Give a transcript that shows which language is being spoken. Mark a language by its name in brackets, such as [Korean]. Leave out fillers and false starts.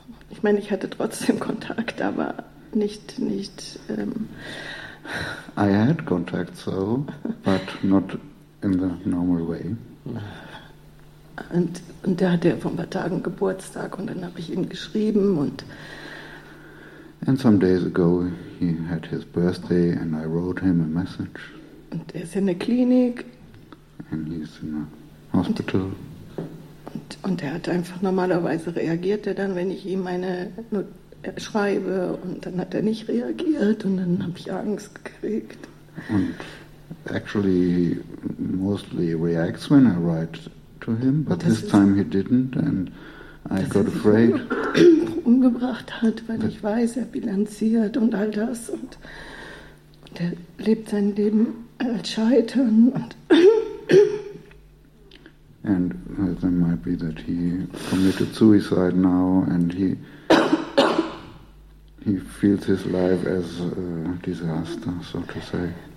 [German] Ich meine, ich hatte trotzdem Kontakt, aber nicht. [English] I had contact, so, but not in the normal way. [German] Und da hatte er vor ein paar Tagen Geburtstag, und dann habe ich ihm geschrieben und. [English] And some days ago he had his birthday, and I wrote him a message. [German] Und er ist in der Klinik. [English] And he's in a Hospital. [German] Und er hat einfach normalerweise reagiert er dann, wenn ich ihm meine schreibe, und dann hat er nicht reagiert, und dann habe ich Angst gekriegt. [English] And actually mostly reacts when I write to him, but das this ist, time he didn't, and I got ist, afraid. [German] Umgebracht hat, weil ich weiß, er bilanziert und all das, und er lebt sein Leben als Scheitern und. [English] And there might be that he committed suicide now, and he feels his life as a disaster, so to say.